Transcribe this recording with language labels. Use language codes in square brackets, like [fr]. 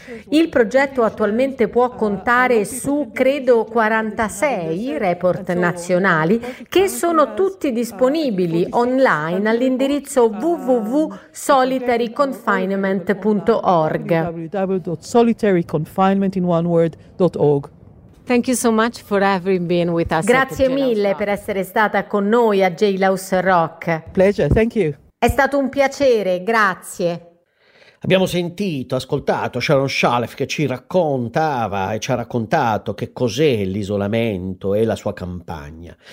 [it] Il progetto attualmente può contare su, credo, 46 report nazionali che sono tutti disponibili online all'indirizzo www.solitaryconfinement.org. www.solitaryconfinement.org. [en] Thank you so much for having been with us. [it] Grazie mille per essere stata con noi a Jailhouse Rock. [en] Pleasure, thank you. [it] È stato un piacere, grazie. Abbiamo sentito, ascoltato Sharon Shalev che ci raccontava e ci ha raccontato che cos'è l'isolamento e la sua campagna.